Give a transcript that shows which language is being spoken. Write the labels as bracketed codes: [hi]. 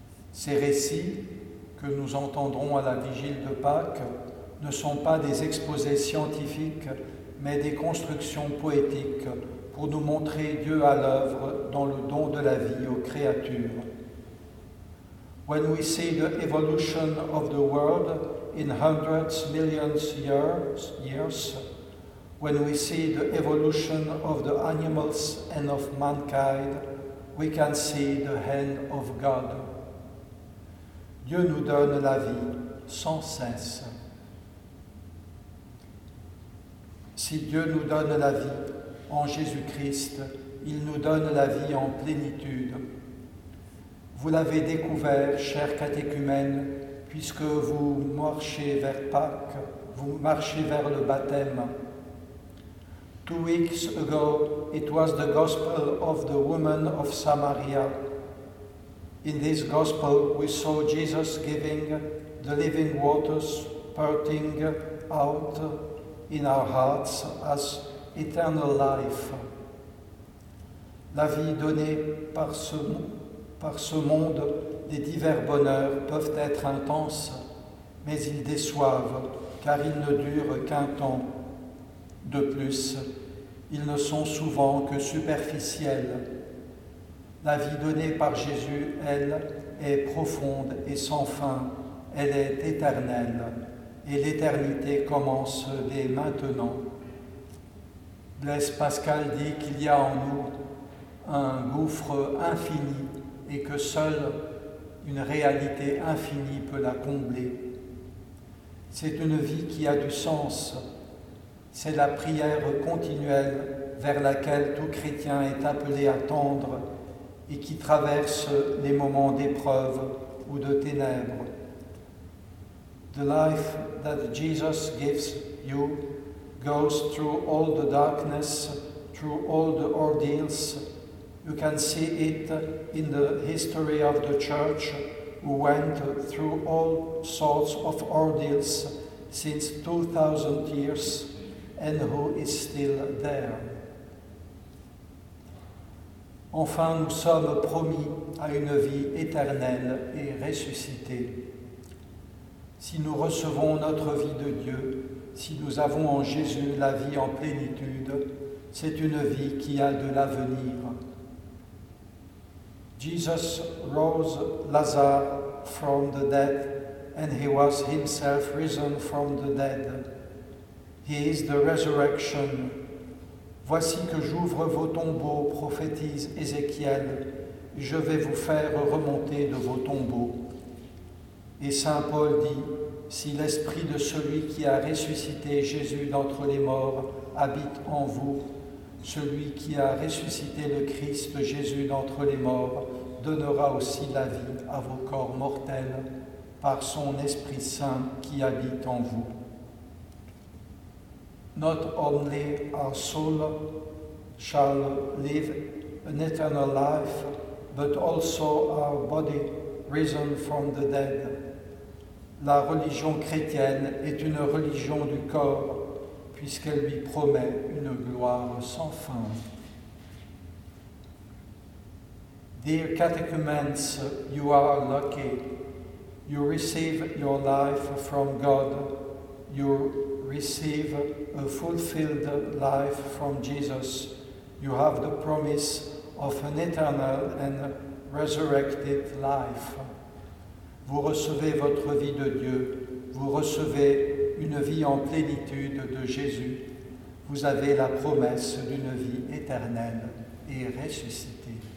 [fr] Ces récits que nous entendrons à la vigile de Pâques ne sont pas des exposés scientifiques, mais des constructions poétiques pour nous montrer Dieu à l'œuvre dans le don de la vie aux créatures. [en] When we see the evolution of the world in hundreds, millions of years, when we see the evolution of the animals and of mankind, we can see the hand of God. [fr] Dieu nous donne la vie sans cesse. Si Dieu nous donne la vie en Jésus-Christ, il nous donne la vie en plénitude. Vous l'avez découvert, chers catéchumènes, puisque vous marchez vers Pâques, vous marchez vers le baptême. [en] 2 weeks ago, it was the gospel of the woman of Samaria. In this gospel, we saw Jesus giving the living waters pouring out in our hearts as eternal life. [fr] La vie donnée par ce monde, des divers bonheurs peuvent être intenses, mais ils déçoivent, car ils ne durent qu'un temps. De plus, ils ne sont souvent que superficiels. La vie donnée par Jésus, elle, est profonde et sans fin. Elle est éternelle, et l'éternité commence dès maintenant. Blaise Pascal dit qu'il y a en nous un gouffre infini et que seule une réalité infinie peut la combler. C'est une vie qui a du sens. C'est la prière continuelle vers laquelle tout chrétien est appelé à tendre et qui traverse les moments d'épreuve ou de ténèbres. [en] The life that Jesus gives you goes through all the darkness, through all the ordeals. You can see it in the history of the Church, who went through all sorts of ordeals since 2,000 years, and who is still there. [fr] Enfin, nous sommes promis à une vie éternelle et ressuscitée. Si nous recevons notre vie de Dieu, si nous avons en Jésus la vie en plénitude, c'est une vie qui a de l'avenir. [en] Jesus rose Lazare from the dead, and he was himself risen from the dead. He is the resurrection. [fr] Voici que j'ouvre vos tombeaux, prophétise Ézéchiel. Je vais vous faire remonter de vos tombeaux. Et saint Paul dit, si l'esprit de celui qui a ressuscité Jésus d'entre les morts habite en vous, celui qui a ressuscité le Christ Jésus d'entre les morts donnera aussi la vie à vos corps mortels par son Esprit Saint qui habite en vous. [en] Not only our soul shall live an eternal life, but also our body risen from the dead. [fr] La religion chrétienne est une religion du corps, puisqu'elle lui promet une gloire sans fin. [en] Dear catechumens, you are lucky. You receive your life from God. You receive a fulfilled life from Jesus. You have the promise of an eternal and resurrected life. [fr] Vous recevez votre vie de Dieu. Vous recevez une vie en plénitude de Jésus. Vous avez la promesse d'une vie éternelle et ressuscitée.